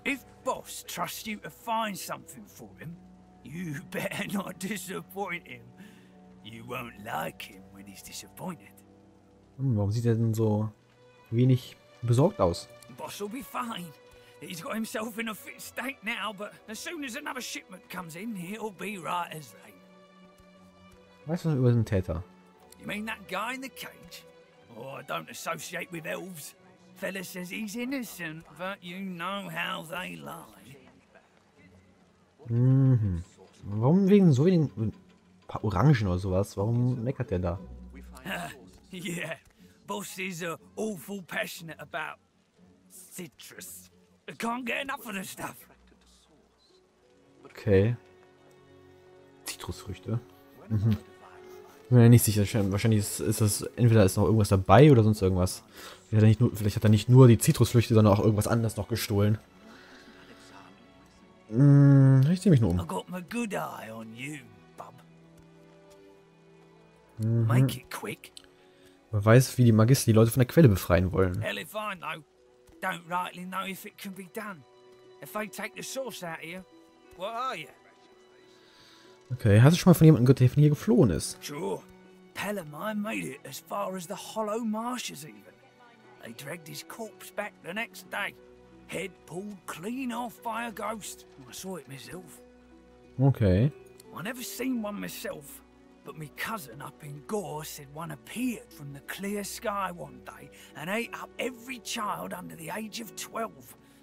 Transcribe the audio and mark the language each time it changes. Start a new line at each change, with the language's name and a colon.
English: If Boss trusts you to find something for him, you better not disappoint him. You won't like him when he's disappointed.
German: Warum sieht er denn so wenig besorgt aus?
English: Boss will be fine. He's got himself in a fit state now, but as soon as another shipment comes in, he'll be right as rain.
German: Weißt du was über den Täter?
English: You mean that guy in the cage? Oh, I don't associate with elves. Fella says he's innocent, but you know how they lie.
German: Warum wegen so wenigen ein paar Orangen oder sowas? Warum meckert der da?
English: Yeah, Boss is awful passionate about citrus. Can't get enough of the stuff.
German: Okay. Zitrusfrüchte. Bin mir nicht sicher. Wahrscheinlich ist das entweder ist noch irgendwas dabei oder sonst irgendwas. Vielleicht hat er nicht nur die Zitrusfrüchte, sondern auch irgendwas anderes noch gestohlen. Ich zieh mich nur um.
English: I got my good eye on you, bub. Make it quick.
German: Man weiß, wie die Magister die Leute von der Quelle befreien wollen.
English: Hell if I know. Don't rightly know if it can be done. If they take the source out here, what are you?
German: Okay, hast du schon mal von jemandem gehört, der von hier geflohen ist?
English: Sure. Pelamine made it as far as the Hollow Marshes even. They dragged his corpse back the next day. Head pulled clean off by a ghost. I saw it myself. Okay. I never seen one myself, but my cousin up in Gore said one appeared from the clear sky one day and ate up every child under the age of 12.